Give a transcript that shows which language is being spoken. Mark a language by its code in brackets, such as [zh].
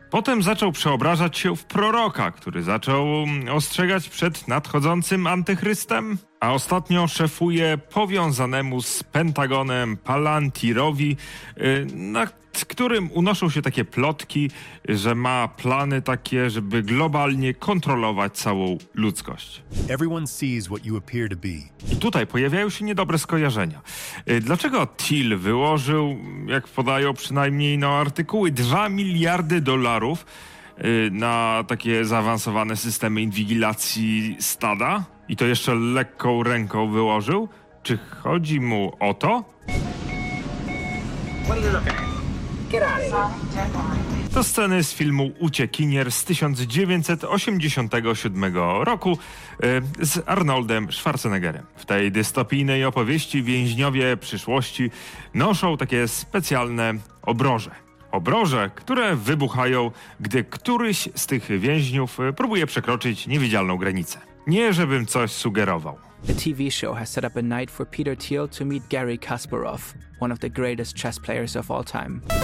[pl] Potem zaczął przeobrażać się w proroka, który zaczął ostrzegać przed nadchodzącym antychrystem, a ostatnio szefuje powiązanemu z Pentagonem Palantirowi, nad którym unoszą się takie plotki, że ma plany takie, żeby globalnie kontrolować całą ludzkość. [en] Everyone sees what you appear to be. [pl] I tutaj pojawiają się niedobre skojarzenia. Dlaczego Thiel wyłożył, jak podają przynajmniej no, artykuły, 2 miliardy dolarów na takie zaawansowane systemy inwigilacji stada? I to jeszcze lekką ręką wyłożył? Czy chodzi mu o to? To sceny z filmu Uciekinier z 1987 roku z Arnoldem Schwarzeneggerem. W tej dystopijnej opowieści więźniowie przyszłości noszą takie specjalne obroże. Obroże, które wybuchają, gdy któryś z tych więźniów próbuje przekroczyć niewidzialną granicę. Nie, żebym coś sugerował. [en] The TV show has set up a night for Peter Thiel to meet Garry Kasparov, one of the greatest chess players of all time.